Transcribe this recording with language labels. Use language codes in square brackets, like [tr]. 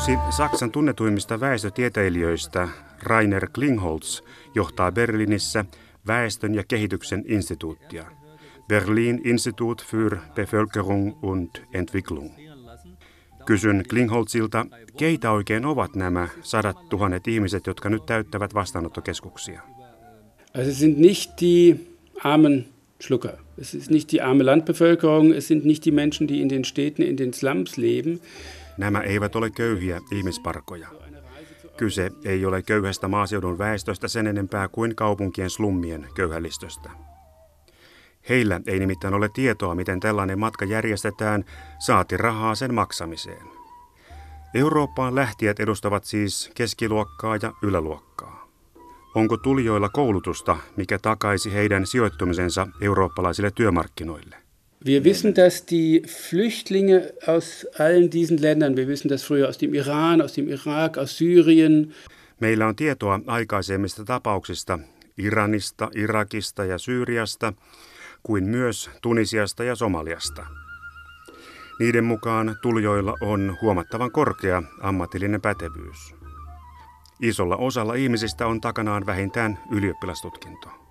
[fi] Saksan tunnetuimmista väestötieteilijöistä Rainer Klingholz johtaa Berliinissä Väestön ja kehityksen instituuttia, Berlin Institut für Bevölkerung und Entwicklung. Kysyn Klingholzilta, keitä oikein ovat nämä sadat tuhannet ihmiset, jotka nyt täyttävät vastaanottokeskuksia? [de] Es sind nicht die armen Schlucker. Es ist nicht die arme Landbevölkerung, es sind nicht die Menschen, die in den Städten, in den Slums leben. [fi] Nämä eivät ole köyhiä ihmisparkoja. Kyse ei ole köyhästä maaseudun väestöstä sen enempää kuin kaupunkien slummien köyhällistöstä. Heillä ei nimittäin ole tietoa, miten tällainen matka järjestetään, saati rahaa sen maksamiseen. Eurooppaan lähtijät edustavat siis keskiluokkaa ja yläluokkaa. Onko tulijoilla koulutusta, mikä takaisi heidän sijoittumisensa eurooppalaisille työmarkkinoille? [de] Wir wissen, dass die Flüchtlinge aus allen diesen Ländern, wir wissen das früher aus dem Iran, aus dem Irak, aus Syrien. [fi] Meillä on tietoa aikaisemmista tapauksista Iranista, Irakista ja Syyriasta, kuin myös Tunisiasta ja Somaliasta. Niiden mukaan tulijoilla on huomattavan korkea ammatillinen pätevyys. Isolla osalla ihmisistä on takanaan vähintään ylioppilastutkinto.